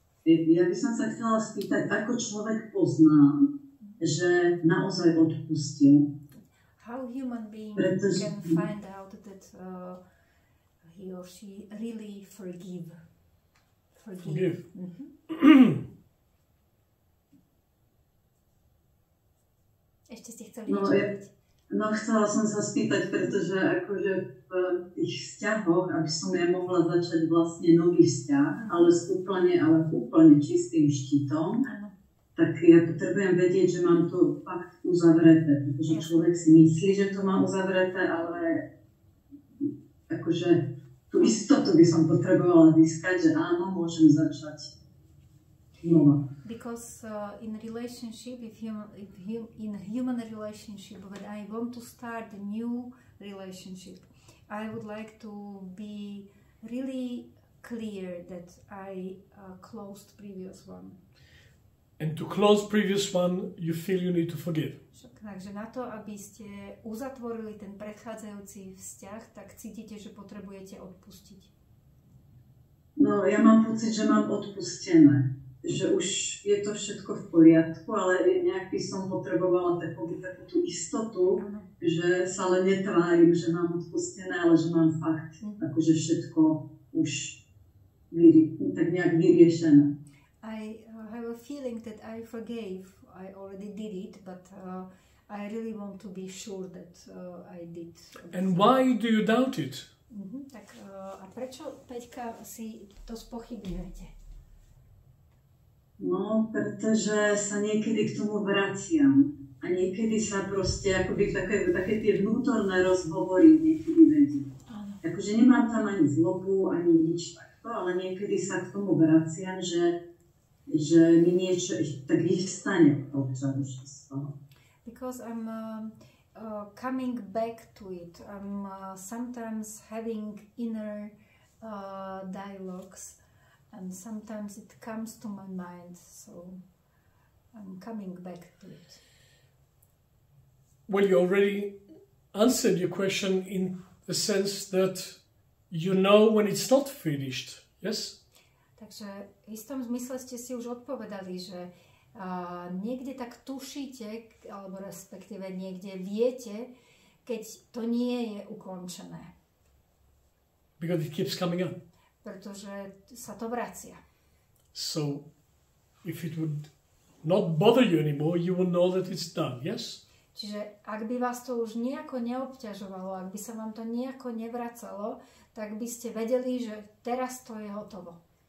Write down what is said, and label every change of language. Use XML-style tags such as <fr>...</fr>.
<sk>Ja by som sa chcela spýtať, ako človek pozná, že naozaj odpustil.</sk> <en>How human being can find out that he or she really forgive? Forgive.</en> <sk>Ešte ste chceli niečo povedať? No, chcela som sa spýtať, pretože akože v tých vzťahoch, aby som ja mohla začať vlastne nový vzťah, ale úplne čistým štítom. Áno. tak ja potrebujem vedieť, že mám to fakt uzavreté, pretože človek si myslí, že to má uzavreté, ale akože tú istotu by som potrebovala získať, že áno, môžem začať znova.</sk> <en>Because in relationship, in human relationship, when I want to start a new relationship, I would like to be really clear that I closed previous one. And to close previous one, you feel you need to forgive.</en> <sk>Takže na to, aby ste uzatvorili ten predchádzajúci vzťah, tak cítite, že potrebujete odpustiť. No, ja mám pocit, že mám odpustené. Že už je to všetko v poriadku, ale nejak by som potrebovala takú tú istotu, že sa len netvárim, že mám odpustené, ale že mám fakt, akože všetko už tak nejak vyriešené.</sk> <en>I have a feeling that I forgave, I already did it, but I really want to be sure that I did. And why do you doubt it?</en> <sk>Tak a prečo, Peťka, si to spochybňujete? No, pretože sa niekedy k tomu vraciam a niekedy sa proste akoby také tie vnútorné rozhovory niekedy vedie. Akože nemám tam ani zlobu, ani nič takto, ale niekedy sa k tomu vraciam, že mi niečo tak vyvstane občas už z toho.</sk> <en>Because I'm coming back to it. I'm sometimes having inner dialogues. And sometimes it comes to my mind, so I'm coming back to it. Well, you already answered your question in the sense that you know when it's not finished, yes?</en> <sk>Takže v istom zmysle ste si už odpovedali, že niekde tak tušíte, alebo respektíve niekde viete, keď to nie je ukončené.</sk> <en>Because it keeps coming up.</en> <sk>Pretože sa to vracia.</sk> <en>So if it would not bother you anymore, you will know that it's done, yes?</en> <sk>Čiže ak by vás to už nejako neobťažovalo, ak by sa vám to nejako nevracalo, tak by ste vedeli, že teraz to je hotovo.</sk>